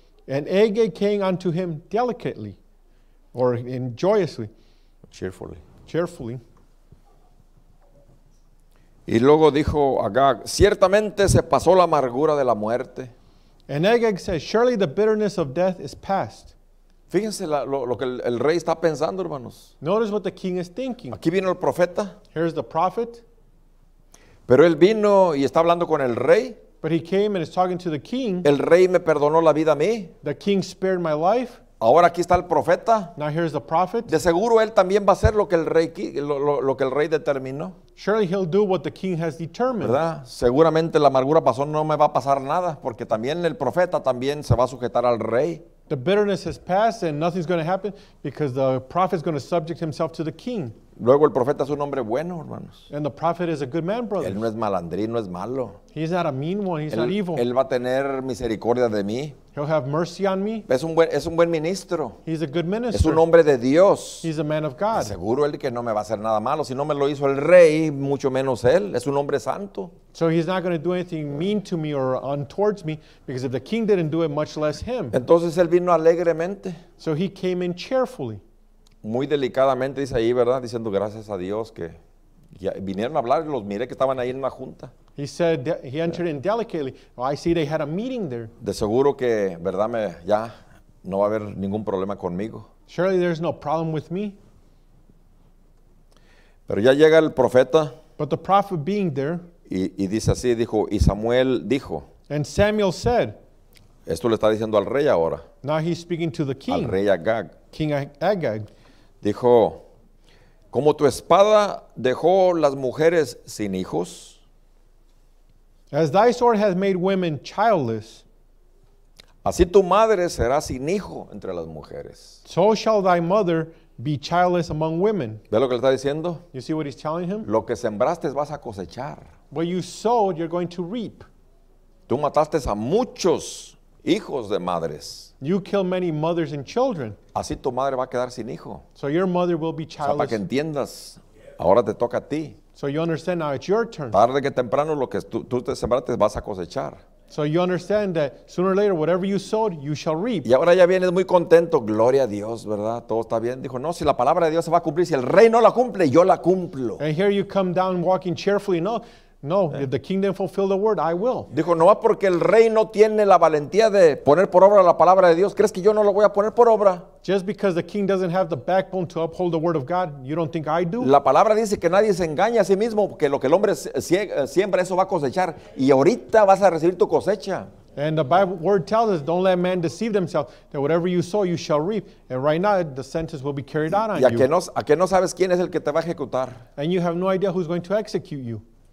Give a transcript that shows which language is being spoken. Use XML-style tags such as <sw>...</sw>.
<en>And Agag came unto him delicately, or in joyously. Cheerfully. Cheerfully.</en> <es>Y luego dijo Agag, ciertamente se pasó la amargura de la muerte.</es> <en>And Agag said, surely the bitterness of death is past.</en> <es>Fíjense lo que el rey está pensando, hermanos.</es> <en>Notice what the king is thinking.</en> <es>Aquí vino el profeta.</es> <en>Here's the prophet.</en> <es>Pero él vino y está hablando con el rey.</es> <en>But he came and is talking to the king.</en> <es>El rey me perdonó la vida a mí.</es> <en>The king spared my life.</en> <es>Ahora aquí está el profeta.</es> <en>Now here's the prophet.</en> <es>De seguro él también va a hacer lo que el rey determinó.</es> <en>Surely he'll do what the king has determined.</en> <es>¿Verdad? Seguramente la amargura pasó, no me va a pasar nada, porque también el profeta también se va a sujetar al rey.</es> <en>The bitterness has passed and nothing's going to happen because the prophet is going to subject himself to the king.</en> <es>Luego el profeta es un hombre bueno, hermanos.</es> <en>And the prophet is a good man, brothers.</en> <es>Él no es malandrín, no es malo.</es> <en>He's not a mean one, he's</en> <es>él,</es> <en>not evil.</en> <es>Él va a tener misericordia de mí.</es> <en>He'll have mercy on me.</en> <es>Es un buen ministro.</es> <en>He's a good minister.</en> <es>Es un hombre de Dios.</es> <en>He's a man of God.</en> <es>Seguro él que no me va a hacer nada malo. Si no me lo hizo el rey, mucho menos él. Es un hombre santo.</es> <en>So he's not going to do anything mean to me or towards me, because if the king didn't do it, much less him.</en> <es>Entonces él vino alegremente.</es> <en>So he came in cheerfully.</en> <es>Muy delicadamente dice ahí, ¿verdad? Diciendo gracias a Dios que ya vinieron a hablar, los miré que estaban ahí en una junta.</es> <en>He said, he entered in delicately. Well, I see they had a meeting there.</en> <es>De seguro que, ¿verdad? Ya no va a haber ningún problema conmigo.</es> <en>Surely there's no problem with me.</en> <es>Pero ya llega el profeta.</es> <en>But the prophet being there.</en> <es>Y dice así, dijo, y Samuel dijo.</es> <en>And Samuel said.</en> <es>Esto le está diciendo al rey ahora.</es> <en>Now he's speaking to the king.</en> <es>Al rey Agag.</es> <en>King Agag.</en> <es>Dijo, como tu espada dejó las mujeres sin hijos.</es> <en>As thy sword has made women childless.</en> <es>Así tu madre será sin hijo entre las mujeres.</es> <en>So shall thy mother be childless among women.</en> <es>¿Ve lo que le está diciendo?</es> <en>You see what he's telling him?</en> <es>Lo que sembraste vas a cosechar.</es> <en>What you sowed, you're going to reap.</en> <es>Tú mataste a muchos hijos de madres.</es> <en>You kill many mothers and children.</en> <es>Así tu madre va a quedar sin hijo.</es> <en>So your mother will be childless.</en> <es>O sea, para que entiendas, ahora te toca a ti.</es> <en>So you understand now it's your turn.</en> <es>Tarde que temprano lo que tú te sembraste vas a cosechar.</es> <en>So you understand that sooner or later, whatever you sowed, you shall reap.</en> <es>Y ahora ya vienes muy contento, gloria a Dios, ¿verdad? Todo está bien. Dijo, no, si la palabra de Dios se va a cumplir, si el rey no la cumple, yo la cumplo.</es> <en>And here you come down walking cheerfully. No, if the kingdom fulfill the word, I will.</en> <es>Dijo, no va porque el rey no tiene la valentía de poner por obra la palabra de Dios. ¿Crees que yo no lo voy a poner por obra?</es> <en>Just because the king doesn't have the backbone to uphold the word of God, you don't think I do?</en> <es>La palabra dice que nadie se engaña a sí mismo, que lo que el hombre siembra, eso va a cosechar. Y ahorita vas a recibir tu cosecha.</es> <en>And the Bible word tells us, don't let man deceive themselves, that whatever you sow, you shall reap. And right now, the sentence will be carried out on you.</en> <es>¿A que no sabes quién es el que te va a ejecutar?</es> <en>And you have no idea who's going to execute you.</en>